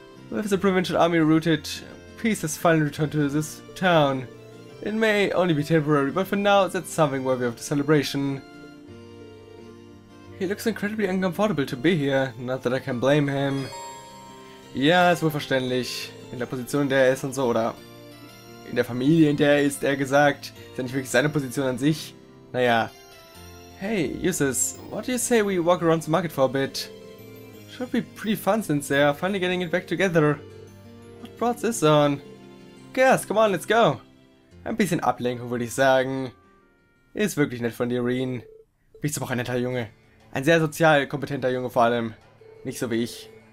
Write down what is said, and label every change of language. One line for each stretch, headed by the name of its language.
English: With the provincial army rooted, peace has finally returned to this town. It may only be temporary, but for now, that's something worthy of the celebration. He looks incredibly uncomfortable to be here, not that I can blame him.
German: Ja, ist wohl verständlich. In der Position, in der er ist und so, oder in der Familie, in der er ist, eher gesagt, ist ja nicht wirklich seine Position an sich. Naja.
English: Hey, Uses, what do you say we walk around the market for a bit? Should be pretty fun since they're finally getting it back together. What brought this on? Guess, come on, let's go!
German: Ein bisschen Ablenkung, würde ich sagen. Ist wirklich nett von dir, Reen. Bist du auch ein netter Junge. Ein sehr sozial kompetenter Junge vor allem. Nicht so wie ich.